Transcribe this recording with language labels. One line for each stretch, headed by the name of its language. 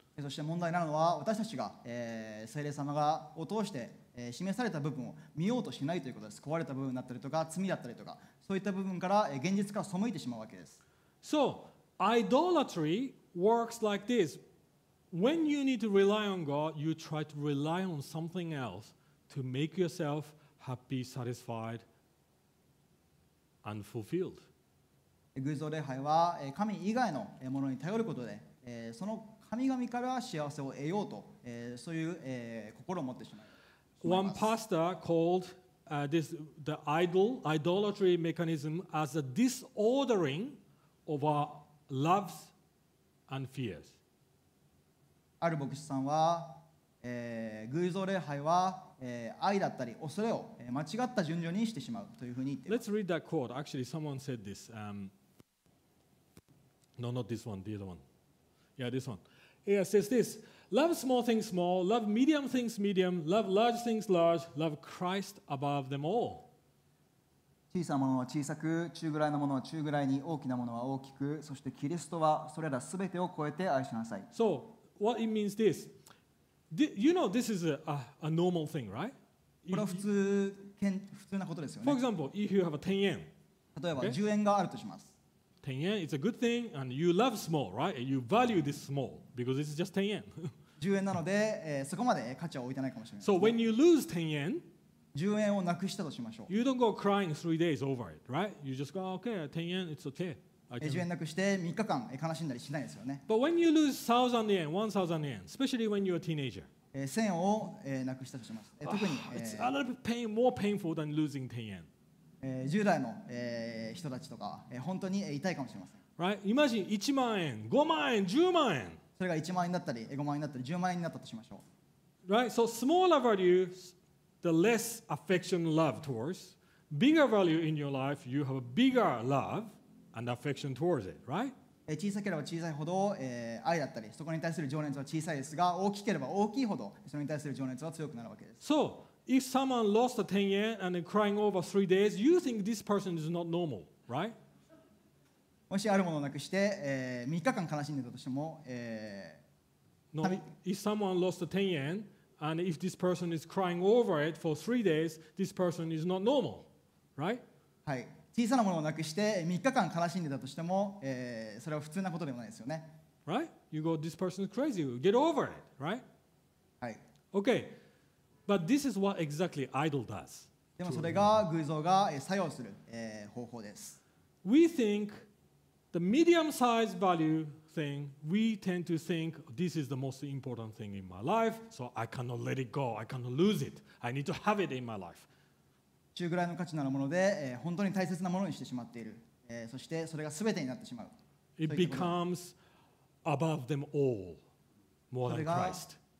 Japanese: そして問題なのは、私たちが聖霊様がを通して示された部分を見ようとしないということです。壊れた部分だったりとか、罪だったりとか、そういった部分から現実から背いてしまうわけです。
English: So, idolatry works like this. When you need to rely on God, you try to rely on something else to make yourself happy, satisfied, and fulfilled.
Japanese: 偶像礼拝は神以外のものに頼ることで、その神々から幸せを得ようと、そういう心を持ってしまいます。
English: One pastor called the idolatry mechanism as a disordering of our loves and fears.
Japanese: ある牧師さんは、偶像礼拝は、愛だったり恐れを、間違った順序にしてしまうというふうに言っています
English: 。 Let's read that quote. Actually, someone said this. No, not this one. The other one. Yeah, this one. Yeah, it says this. Love small things small. Love medium things medium. Love large things large. Love Christ above them all.
Japanese: 小さなものは小さく、中ぐらいのものは中ぐらいに、大きなものは大きく、そしてキリストはそれらすべてを超えて愛しなさい。
English: So,What it means this, you know, this is a normal thing, right?
Japanese: これは普通なことですよね。
English: For example, if you have a 10 yen,
Japanese: 例えば10円があるとします。
English: 10 yen, it's a good thing, and you love small, right? You value this small because it's just 10 yen.
Japanese: 10円なので、そこまで価値は置いてないかもしれない。
English: So when you lose 10 yen,
Japanese: 10円をなくしたとしましょう。
English: You don't go crying 3 days over it, right? You just go, okay, 10 yen, it's okay.
Japanese: 10円なくして3日間悲しんだりしないですよね。
English: But when you lose 1,000 yen, 1,000 yen, especially when you're a teenager,
Japanese: 1,000 をなくしたとします。特に、
English: It's a little bit pain, more painful than losing 10 yen.
Japanese: 10代の人たちとか、本当に痛いかもしれません。
English: Right? Imagine
Japanese: 1万円、5万円、10万円。それが1万円だったり、5万円だったり、10万円になったとしましょう。
English: Right? So smaller value, the less affection love towards. Bigger value in your life, you have a bigger love. And affection towards it, right?
Japanese: 小さければ小さいほど、愛だったりそこに対する情熱は小さいですが大きければ大きいほどそれに対する情熱は強くなるわけです。
English: So, if someone lost a 10 yen and crying over 3 days, you think this person is not normal, right?
Japanese: もしあるものをなくして、3日間悲しんでたとしても、
English: No, if someone lost a 10 yen and if this person is crying over it for 3 days, this person is not normal, right?
Japanese: はい小さなものをなくして3日間悲しんでたとしても、それは普通なことでもないですよね。
English: Right? You go, this person is crazy. Get over it, right?
Japanese: はい。
English: Okay. But this is what exactly idol does.
Japanese: でもそれが偶像が作用する、方法です。
English: We think the medium-sized value thing, we tend to think this is the most important thing in my life, so I cannot let it go. I cannot lose it. I need to have it in my life.
Japanese: 中ぐらいの価値のあるもので、本当に大切なものにしてしまっている、そしてそれが全てになってしまう。
English: It becomes above them all more than Christ.